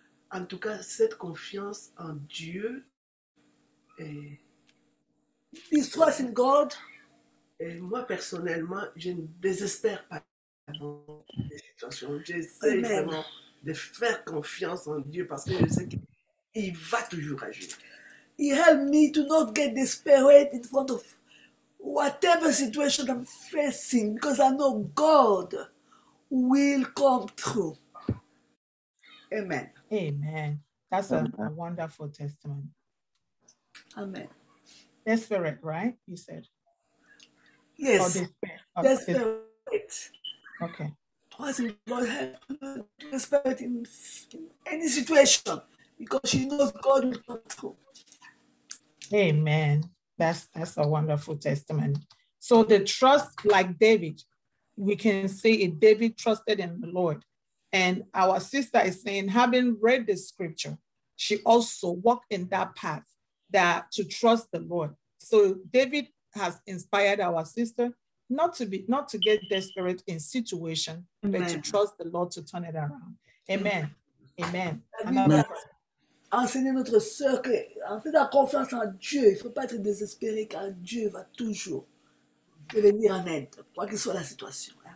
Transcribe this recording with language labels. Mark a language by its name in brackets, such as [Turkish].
[French] En tout cas, cette confiance en Dieu. [English] His trust in God. [French] Et moi, personnellement, je ne désespère pas des situations. J'essaie Amen. Vraiment de faire confiance en Dieu parce que je sais que il va toujours agir. [English] He helped me to not get desperate in front of whatever situation I'm facing because I know God will come through. Amen. Amen. That's a wonderful testimony. Amen. Desperate, right? You said. Yes. Or desperate. Okay. Trust in God, desperate in any situation. Because she knows God will come through. Amen. That's a wonderful testimony. So the trust, like David, we can say it. David trusted in the Lord. And our sister is saying, having read the scripture, she also walked in that path that to trust the Lord. So David has inspired our sister not to get desperate in situation, Amen. But to trust the Lord to turn it around. Amen. Amen. [French] Enseigner notre sœur que en fait la confiance en Dieu, il ne faut pas être désespéré car Dieu va toujours te venir en aide, quoi que soit la situation.